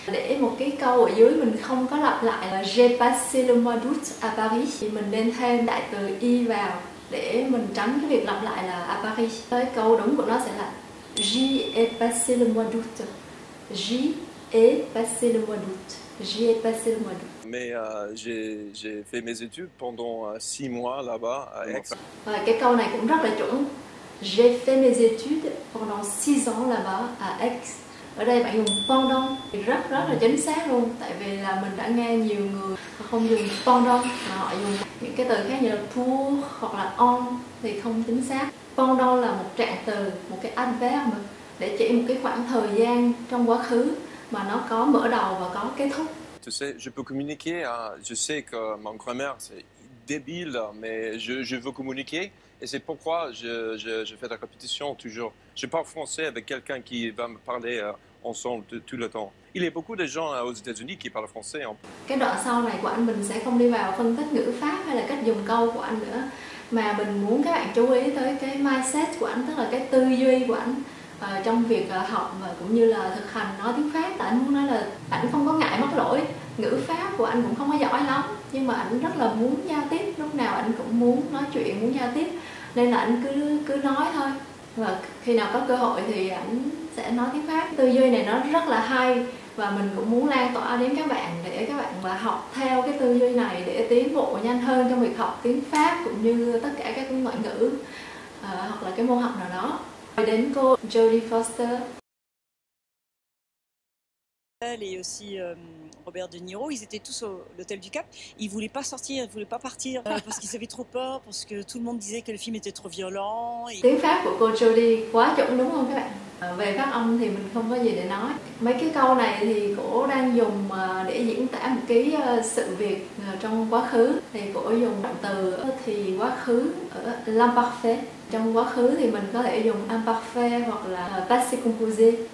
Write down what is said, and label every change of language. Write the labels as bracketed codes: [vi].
[vi] Để một cái câu ở dưới mình không có lặp lại là [fr] J'ai passé le mois d'août à Paris [vi] thì mình nên thêm đại từ y vào để mình tránh cái việc lặp lại là à Paris. Cái câu đúng của nó sẽ là [fr] J'ai passé le mois d'août. J'ai passé le mois d'août. J'ai passé le mois d'août. Mais j'ai fait mes études pendant 6 mois là-bas à Aix. [vi] Và cái câu này cũng rất là chuẩn. [fr] J'ai fait mes études pendant 6 ans là-bas à Aix. [vi] Ở đây bạn dùng pendant thì rất rất là chính xác luôn. Tại vì là mình đã nghe nhiều người không dùng pendant mà họ dùng những cái từ khác như là pour hoặc là on thì không chính xác. Pendant là một trạng từ, một cái adverb để chỉ một cái khoảng thời gian trong quá khứ mà nó có mở đầu và có kết thúc. [fr] Tu sais, je peux communiquer, je sais que mon grammaire c'est débile, mais je veux communiquer et c'est pourquoi je fais de la répétition toujours. Je parle français avec quelqu'un qui va me parler ensemble tout le temps. Il y a beaucoup de gens aux États-Unis qui parlent français. [vi] Cái đoạn sau này của anh mình sẽ không đi vào phân tích ngữ pháp hay là cách dùng câu của anh nữa, mà mình muốn các bạn chú ý tới cái mindset của anh, tức là cái tư duy của anh trong việc học mà cũng như là thực hành nói tiếng Pháp. Tại anh muốn nói là anh không có ngại mắc lỗi, ngữ pháp của anh cũng không có giỏi lắm, nhưng mà anh rất là muốn giao tiếp, lúc nào anh cũng muốn nói chuyện, muốn giao tiếp, nên là anh cứ cứ nói thôi, và khi nào có cơ hội thì anh sẽ nói tiếng Pháp. Tư duy này nó rất là hay và mình cũng muốn lan tỏa đến các bạn để các bạn mà học theo cái tư duy này để tiến bộ nhanh hơn trong việc học tiếng Pháp cũng như tất cả các ngoại ngữ hoặc là cái môn học nào đó. Đến cô [fr] Jodie Foster. Et aussi Robert De Niro, ils étaient tous à l'hôtel du Cap. Ils voulaient pas sortir, ils voulaient pas partir parce qu'ils avaient trop peur, parce que tout le monde disait que le film était trop violent. Et... [vi] Tiếng Pháp của cô Jodie quá chuẩn đúng không các bạn? Về phát âm thì mình không có gì để nói. Mấy cái câu này thì cô đang dùng để diễn tả một cái sự việc trong quá khứ. Thì cô dùng động từ thì quá khứ ở l'imparfait. Trong quá khứ thì mình có thể dùng imparfait hoặc là passé composé.